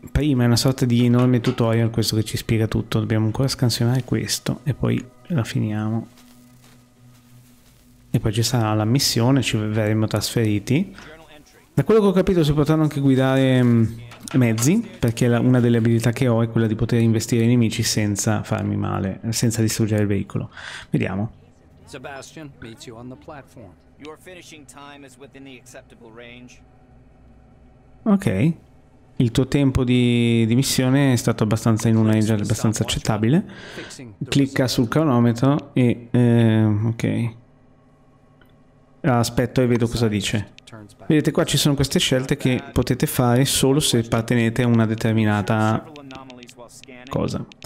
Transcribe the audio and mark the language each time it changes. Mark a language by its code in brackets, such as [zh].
[it] Prima è una sorta di enorme tutorial questo che ci spiega tutto. Dobbiamo ancora scansionare questo e poi la finiamo. E poi ci sarà la missione, ci verremo trasferiti. Da quello che ho capito si potranno anche guidare mezzi, perché una delle abilità che ho è quella di poter investire i nemici senza farmi male, senza distruggere il veicolo. Vediamo. [en] Sebastian meets you on the platform. Your finishing time is within the acceptable range. Ok. [it] Il tuo tempo di missione è stato abbastanza in una range abbastanza accettabile. Clicca sul cronometro e... ok. Aspetto e vedo cosa dice. Vedete qua ci sono queste scelte che potete fare solo se appartenete a una determinata cosa.